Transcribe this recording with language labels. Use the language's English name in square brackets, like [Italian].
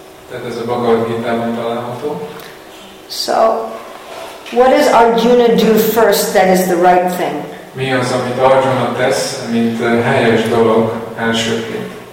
[Hungarian] Tehát ez a Bhagavad Gita-ban található. [English] So, what does Arjuna do first that is the right thing? [Hungarian] Mi az, amit Arjuna tesz, mint helyes dolog elsőként?